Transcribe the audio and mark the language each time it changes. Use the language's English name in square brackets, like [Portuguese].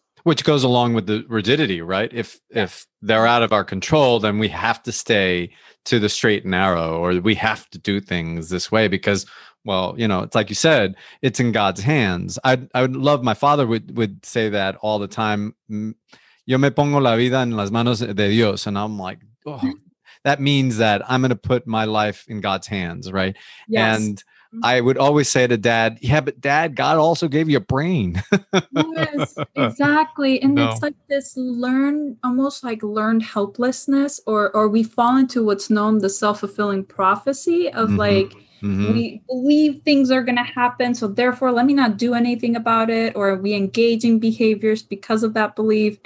[English] Which goes along with the rigidity, right? If they're out of our control, then we have to stay to the straight and narrow, or we have to do things this way because, well, you know, it's like you said, it's in God's hands. I would love, my father would say that all the time. [Spanish] Yo me pongo la vida en las manos de Dios. [English] And I'm like, oh, that means that I'm going to put my life in God's hands, right? Yes. And I would always say to Dad, yeah, but Dad, God also gave you a brain. Yes, exactly. And no. It's like this learned helplessness, or we fall into what's known the self-fulfilling prophecy of we believe things are going to happen, so therefore let me not do anything about it, or we engage in behaviors because of that belief.